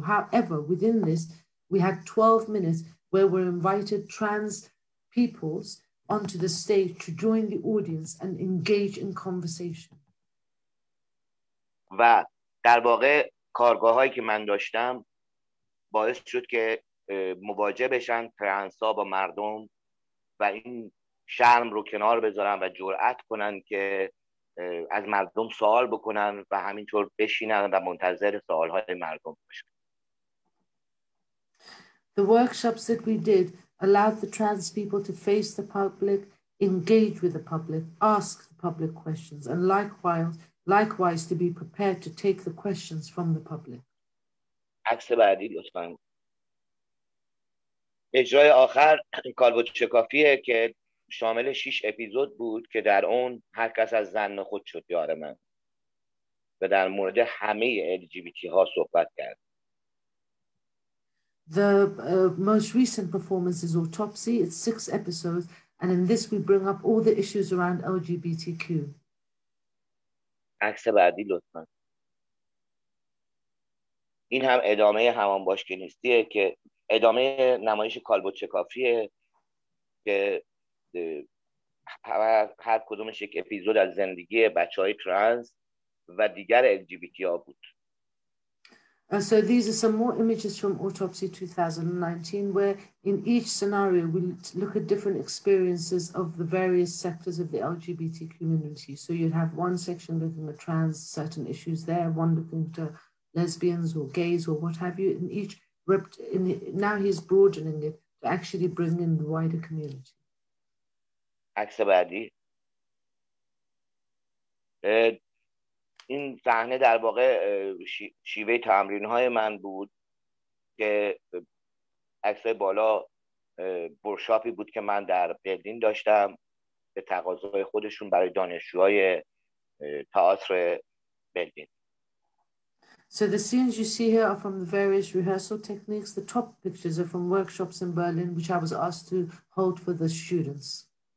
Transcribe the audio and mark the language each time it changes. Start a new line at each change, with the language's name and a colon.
English: However, within this, we had 12 minutes where we invited trans peoples onto the stage to join the audience and engage in conversation.
Persian: و در واقع کارگاه‌هایی که من داشتم باعث شد که مواجه بشن ترنس ها با مردم و این شرم رو کنار بذارن و جرأت کنن که از مردم سوال بکنن و همینطور بشینن و منتظر سوالهای مردم باشن.
English: The workshops that we did allowed the trans people to face the public, engage with the public, ask the public questions, and likewise to be prepared to take the questions from the public.
Persian: عکس بعدی لطفا. اجرای آخر کالبوت شکافیه که شامل 6 اپیزود بود که در اون هر کس از زن خود شد یار من و در مورد همه LGBT ها صحبت کرد.
English: The most recent performance is Autopsy. It's 6 episodes and in this we bring up all the issues around LGBTQ.
Persian: عکس بعدی لطفا. این هم ادامه همان باش که نیستیه که ادامه نمایش کالبوت شکافیه که هر کدومش یک اپیزود از زندگی بچه های ترانس و دیگر LGBT ها بود.
English: So these are some more images from Autopsy 2019 where in each scenario we look at different experiences of the various sectors of the LGBT community. So you'd have one section looking at trans, certain issues there, one looking at lesbians or gays or what have you. And each now he's broadening it to actually bring in the wider community.
Persian: عکس بعدی. این صحنه در واقع شیوه تمرین های من بود که عکس بالا ورکشاپی بود که من در برلین داشتم به تقاضای خودشون برای دانشجوهای تئاتر برلین.
English: So the scenes you see here are from the various rehearsal techniques. The top pictures are from workshops in Berlin, which I was asked to hold for the students.